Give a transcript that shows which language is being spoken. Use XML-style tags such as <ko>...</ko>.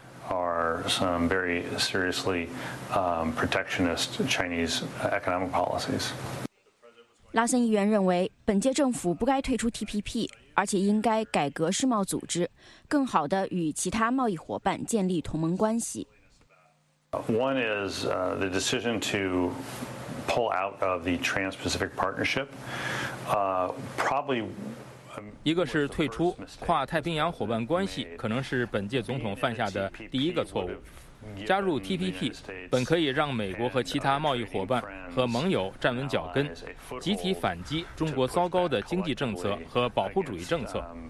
<en>Are some very seriously protectionist Chinese economic policies.</en> <zh>拉森议员认为，本届政府不该退出 TPP， 而且应该改革世贸组织，更好地与其他贸易伙伴建立同盟关系。</zh> <en>One is the decision to pull out of the Trans-Pacific Partnership. Probably.</en> <zh>一个是退出跨太平洋伙伴关系，可能是本届总统犯下的第一个错误。加入 TPP 本可以让美国和其他贸易伙伴和盟友站稳脚跟，集体反击中国糟糕的经济政策和保护主义政策。</zh>